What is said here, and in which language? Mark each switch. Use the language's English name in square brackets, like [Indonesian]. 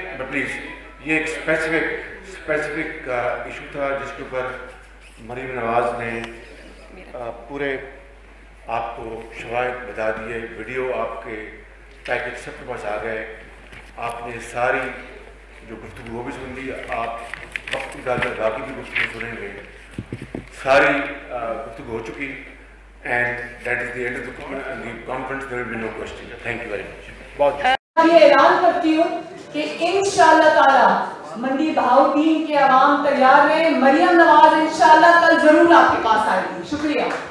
[Urdu] Please, یہ ایک specific issue تھا جس کے اوپر مریم نواز نے پورے آپ کو شواہد بتا دیے، ویڈیو آپ کے پیکج سب کے پاس آ گئے، آپ نے ساری جو گفتگو بھی سن لی، آپ وقت ڈال کر باقی بھی گفتگو سنیں گے، ساری گفتگو ہو چکی. [English] And that is the end of the conference, there will be no question. Thank you very much. بہت [Urdu] یہ اعلان کرتی ہوں کہ انشاءاللہ تعالی منڈی بھاؤ تین کے عوام تیار ہیں، مریم نواز انشاءاللہ کل ضرور آپ کے پاس آئے گی. شکریہ.